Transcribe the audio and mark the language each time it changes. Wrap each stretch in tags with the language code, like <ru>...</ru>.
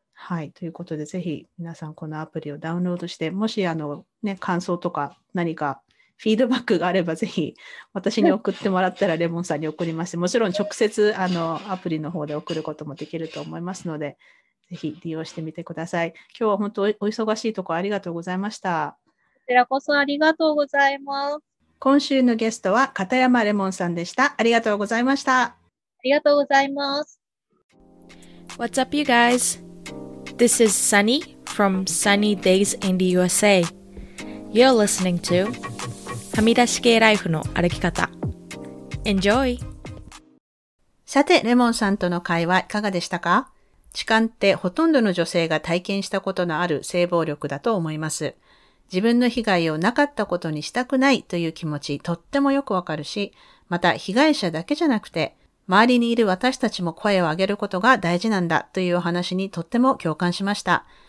<ja>はい、ということで、ぜひ皆さんこのアプリをダウンロードして、もしあのね、感想とか何かフィードバックがあればぜひ私に送ってもらったらレモンさんに送りまして、もちろん直接あのアプリの方で送ることもできると思いますので、ぜひ利用してみてください。今日は本当お忙しいところありがとうございました。こちらこそありがとうございます。今週のゲストは片山レモンさんでした。ありがとうございました。ありがとうございます。</ja> <en>What's up you guys? This is Sunny from Sunny Days in the USA. You're listening to</en> <ja>はみ出し系ライフの歩き方。</ja> <en>Enjoy!</en> <ja>さて、レモンさんとの会話いかがでしたか？痴漢ってほとんどの女性が体験したことのある性暴力だと思います。自分の被害をなかったことにしたくないという気持ち、とってもよくわかるし、また被害者だけじゃなくて、周りにいる私たちも声を上げることが大事なんだというお話にとっても共感しました。</ja>